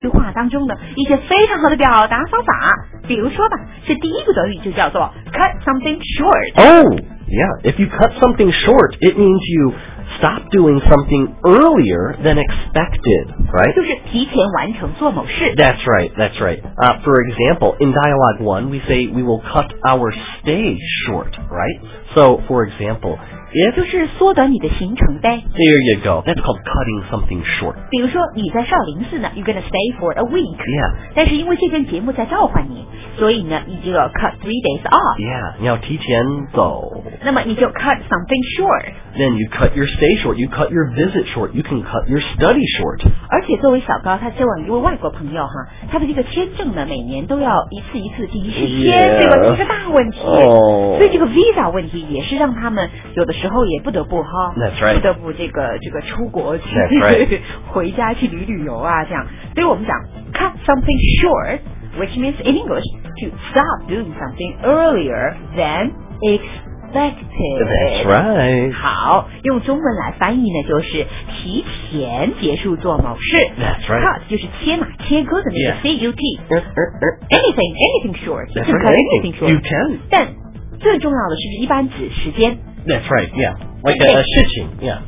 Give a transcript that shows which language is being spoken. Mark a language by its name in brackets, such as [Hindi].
[Chinese] 话当中的一些非常好的表达方法。比如说吧，这第一个短语就叫做 cut something short. [English] Oh, yeah. If you cut something short, it means you stop doing something earlier than expected, right? [Chinese] 就是提前完成做某事。 [English] That's right, that's right. For example, in dialogue one, we say we will cut our stay short, right? So, for example, if... [Chinese] 就是缩短你的行程呗。 [English] There you go. That's called cutting something short. [Chinese] 比如说你在少林寺呢 [English] you're going to stay for a week. Yeah. [Chinese] 但是因为这边节目在召唤你所以呢你就要 [English] cut 3 days off. [Chinese] Yeah, 你要提前走。那么你就 cut something short. [English] Then you cut your stay short, you cut your visit short, you can cut your study short. [Chinese] 而且作为小高他希望一位外国朋友哈他的这个签证呢每年都要一次一次进行续签、对吧这是大问题。 Oh. 所以这个 visa 问题也是让他们有的时候也不得不哈、 [English] right. [Chinese] 不得不这个出国去、 [English] right. [Chinese] 回家去旅旅游啊这样。所以我们讲 [English] cut something short, which means in English, to stop doing something earlier than expected. That's right. [Chinese] 好，用中文来翻译呢，就是提前结束做某事。 [English] That's right. [Chinese] Cut 就是切嘛，切割的那个 C U T. [English] Anything short. That's right. Anything short. You can. [Chinese] 但最重要的是一般指时间。 [English] That's right. Yeah. Like a [Chinese] 事情。 [English] Yeah.